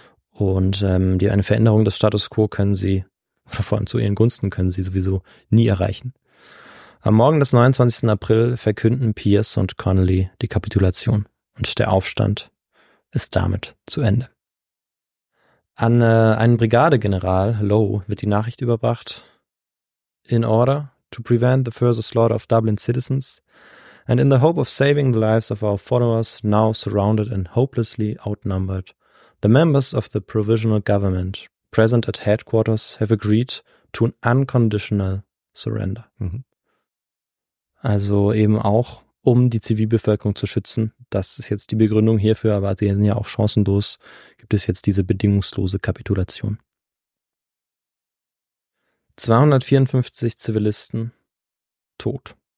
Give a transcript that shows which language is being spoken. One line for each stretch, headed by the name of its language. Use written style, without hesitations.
German: Und eine Veränderung des Status quo können sie, oder vor allem zu ihren Gunsten, können sie sowieso nie erreichen. Am Morgen des 29. April verkünden Pierce und Connolly die Kapitulation und der Aufstand ist damit zu Ende. An einen Brigadegeneral, Lowe, wird die Nachricht überbracht.
English: In order to prevent the further slaughter of Dublin citizens and in the hope of saving the lives of our followers now surrounded and hopelessly outnumbered, the members of the provisional government present at headquarters have agreed to an unconditional surrender.
German: Also eben auch, um die Zivilbevölkerung zu schützen. Das ist jetzt die Begründung hierfür, aber sie sind ja auch chancenlos. Gibt es jetzt diese bedingungslose Kapitulation? 254 Zivilisten tot.